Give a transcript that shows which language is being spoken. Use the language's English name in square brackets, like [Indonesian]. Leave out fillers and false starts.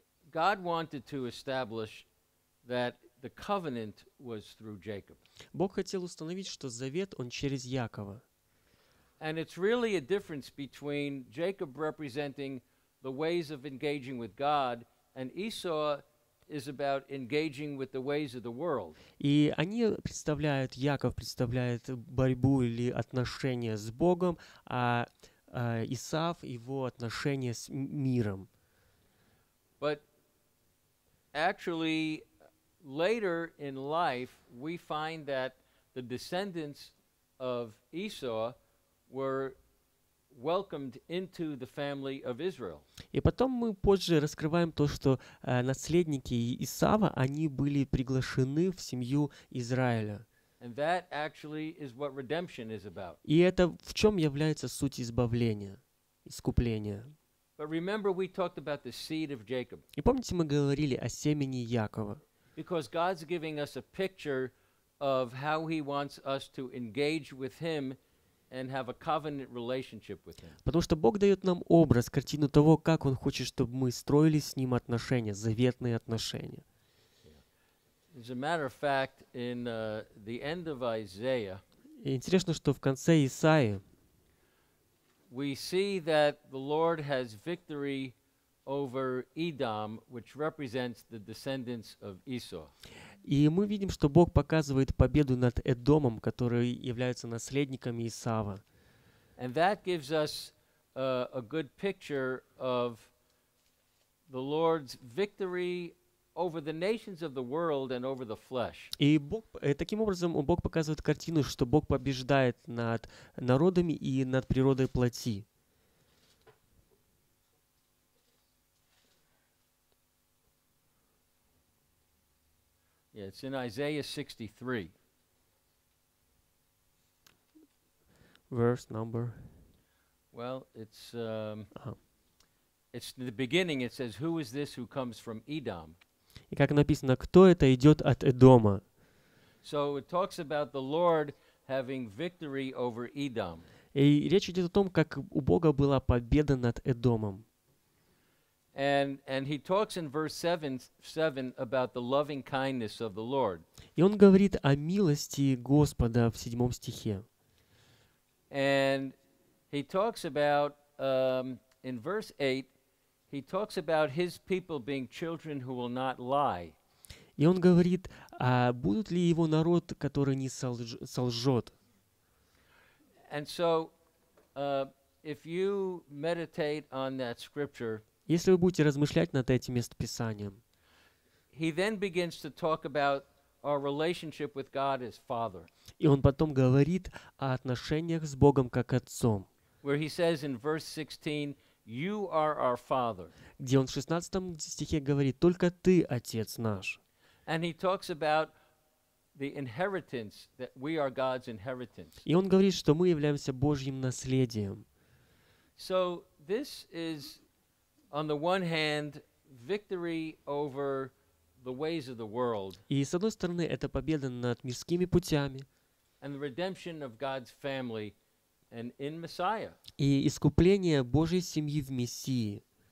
[English] God wanted to establish that the covenant was through Jacob. [Russian] Бог хотел установить, что завет он через Якова. [English] And it's really a difference between Jacob representing the ways of engaging with God and Esau is about engaging with the ways of the world. [Russian] И они представляют, Яков представляет борьбу или отношения с Богом, а Исав, его отношения с миром. [English] But actually, later in life, we find that the descendants of Esau were welcomed into the family of Israel. [Russian] И потом мы позже раскрываем то, что наследники Исава, они были приглашены в семью Израиля. [English] And that actually is what redemption is about. [Russian] И это в чем является суть избавления, искупления. [English] But remember, we talked about the seed of Jacob. [Russian] И помните, мы говорили о семени Якова. [English] Because God's giving us a picture of how He wants us to engage with Him and have a covenant relationship with Him. [Russian] Потому что Бог дает нам образ, картину того, как Он хочет, чтобы мы строили с Ним отношения, заветные отношения. [English] As a matter of fact, in the end of Isaiah, [Russian] интересно, что в конце Исаии, [English] we see that the Lord has victory over Edom, which represents the descendants of Esau. [Russian] И мы видим, что Бог показывает победу над Эдомом, который является наследниками Исава. [English] And that gives us a good picture of the Lord's victory over the nations of the world and over the flesh. [Russian] И Бог, таким образом, Бог показывает картину, что Бог побеждает над народами и над природой плоти. [English] Yeah, it's in Isaiah 63. Verse number. Well, it's in the beginning, it says, who is this who comes from Edom? [Russian] И как написано, кто это идет от Эдома? [English] So it talks about the Lord having victory over Edom. [Russian] И речь идет о том, как у Бога была победа над Эдомом. [English] And he talks in verse 7 about the loving kindness of the Lord. [Russian] И он говорит о милости Господа в седьмом стихе. [English] And he talks about in verse 8. He talks about his people being children who will not lie. [Russian] И он говорит, будут ли его народ, который не солжет? [English] And so, if you meditate on that scripture, [Russian] если вы будете размышлять над этим местописанием, [English] he then begins to talk about our relationship with God as Father. [Russian] И он потом говорит о отношениях с Богом как отцом. [English] Where he says in verse 16, You are our Father. [Russian] Где он в 16 стихе говорит, только ты отец наш. [English] And he talks about the inheritance that we are God's inheritance. [Russian] И он говорит, что мы являемся Божьим наследием. [English] So this is, on the one hand, victory over the ways of the world. [Russian] И с одной стороны, это победа над мирскими путями. [English] And the redemption of God's family and in Messiah. [Russian] И искупление Божьей семьи в Мессии.